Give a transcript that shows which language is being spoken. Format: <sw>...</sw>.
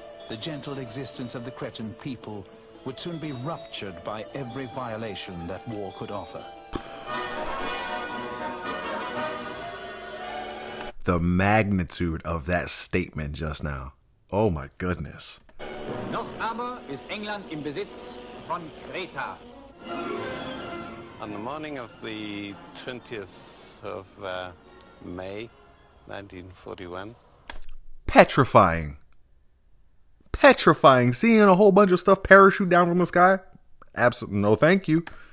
<en>The gentle existence of the Cretan people would soon be ruptured by every violation that war could offer. The magnitude of that statement just now. Oh my goodness.</en> <de>Noch aber ist England im Besitz von Kreta.</de> <en>On the morning of the 20th of May, 1941. Petrifying. Petrifying. Seeing a whole bunch of stuff parachute down from the sky. Absolutely no thank you.</en>